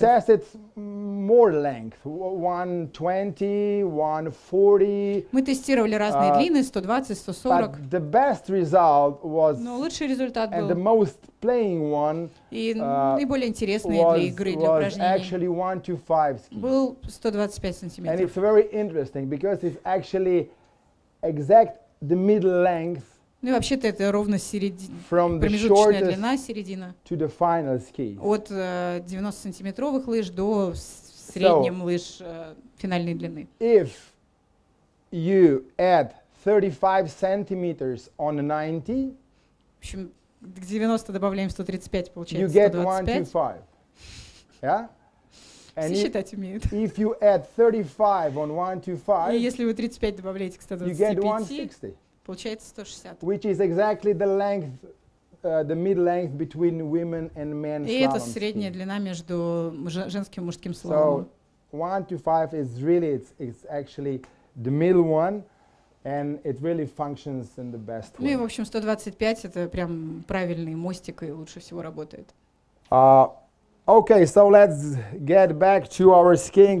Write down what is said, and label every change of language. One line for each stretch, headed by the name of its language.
English: We tested more length, 120, 140.
Russian: Мы тестировали разные длины, 120, 140.
English: But the best result was,
Russian: но лучший результат был,
English: and the most playing one,
Russian: и наиболее интересный для игры, для упражнений,
English: actually 125 ski.
Russian: Был 125 сантиметров.
English: And it's very interesting, because it's actually exact the middle length.
Russian: Ну и вообще-то это ровно промежуточная длина, середина.
English: To the final ski.
Russian: От 90-сантиметровых лыж до средних лыж финальной длины.
English: If you add 35 centimeters on 90,
Russian: в общем, к 90 добавляем 135, получается
English: you get
Russian: 125.
English: Yeah? And
Russian: все считать умеют.
English: If you add 35 on 125,
Russian: и если вы 35 добавляете к 125, получается 160.
English: Which is exactly the length, the mid length between women and men.
Russian: И это средняя длина между женским и мужским слаломом.
English: So 125 is really it's actually the middle one, and it really functions in the best way.
Russian: Ну и в общем 125 это прям правильный мостик и лучше всего работает.
English: Okay, so let's get back to our skiing.